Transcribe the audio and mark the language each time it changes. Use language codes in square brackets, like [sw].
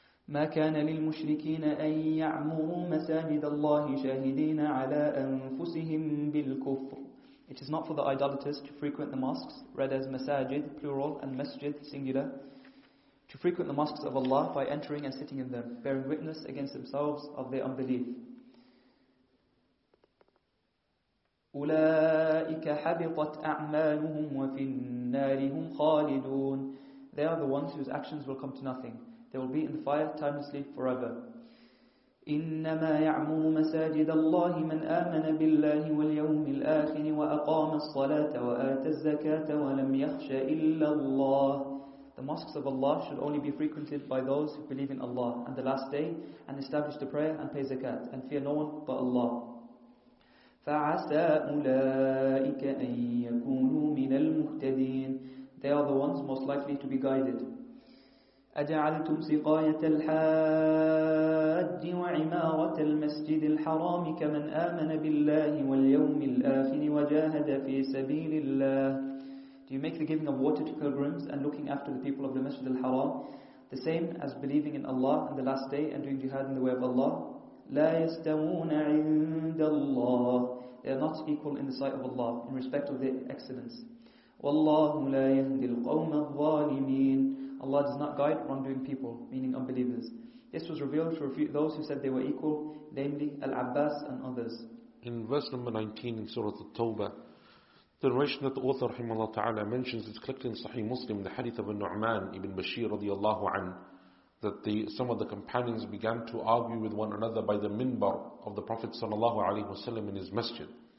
[ar] مَا كَانَ لِلْمُشْرِكِينَ أَن يَعْمُرُوا مَسَاجِدَ اللَّهِ شَاهِدِينَ عَلَىٰ أَنفُسِهِمْ بِالْكُفْرِ. [en] It is not for the idolaters to frequent the mosques, read as masajid, plural, and masjid, singular, to frequent the mosques of Allah by entering and sitting in them, bearing witness against themselves of their unbelief. [ar] أولئك حبطت أعمالهم وفي النار هم خالدون. [en] They are the ones whose actions will come to nothing. They will be in the fire timelessly forever. [ar] إنما يعمر مساجد الله من آمن بالله واليوم الآخر وأقام الصلاة وآتى الزكاة ولم يخش إلا الله. [en] The mosques of Allah should only be frequented by those who believe in Allah and the last day and establish the prayer and pay zakat and fear no one but Allah. [ar] فَعَسَى أُولَٰئِكَ أَن يَكُونُوا مِنَ الْمُهْتَدِينَ. [en] to be guided. [ar] أجعلتم سقاية الحاج وعمارة المسجد الحرام كمن آمن بالله واليوم الآخر وجاهد في سبيل الله. [en] Do you make the giving of water to pilgrims and looking after the people of the Masjid al-Haram the same as believing in Allah and the last day and doing jihad in the way of Allah? [ar] لا يستوون عند الله. [en] They are not equal in the sight of Allah in respect of their excellence. [ar] والله لا يهدي القوم الظالمين. [en] Allah does not guide wrongdoing people, meaning unbelievers. This was revealed to those who said they were equal, namely Al-Abbas and others. In verse number 19 in Surah At-Tawbah, the narration that the author [ar] rahimahullah ta'ala [en] mentions is collected in Sahih Muslim, the hadith of An-Nu'man ibn Bashir [ar] radiyallahu an, [en] that some of the companions began to argue with one another by the minbar of the Prophet [ar] sallallahu alayhi wa sallam [en] in his masjid.